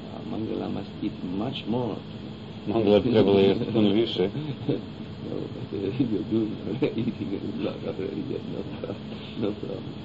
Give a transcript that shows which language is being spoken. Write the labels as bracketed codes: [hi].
[en] Mangala must eat much more. [bs] Mangala bi trebalo jesti puno više. [en] No, but if you do eating a lot of religion, no problem.